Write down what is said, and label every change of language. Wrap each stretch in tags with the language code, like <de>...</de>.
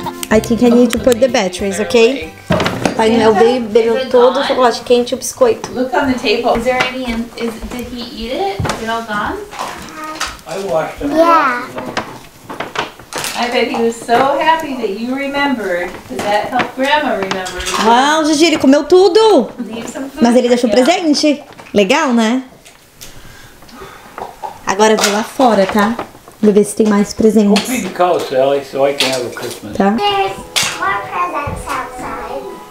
<en>I think I need to put the batteries, okay?</en> <pt>Pai Noel veio e bebeu todo o chocolate quente e o biscoito.</pt> <en>Look on the table. Is there any? Did he eat it? I washed him. Yeah. I bet he was so happy that you remembered. That helped Grandma remember.</en> <pt>Uau, wow, Gigi, ele comeu tudo. Mas ele deixou presente. Legal, né? Agora eu vou lá fora, tá? Vou ver se tem mais presentes.</pt> <en>Don't feed the cow, Sally, so I can have a Christmas.</en> <pt>Tá?</pt> <en>There's more presents outside.</en>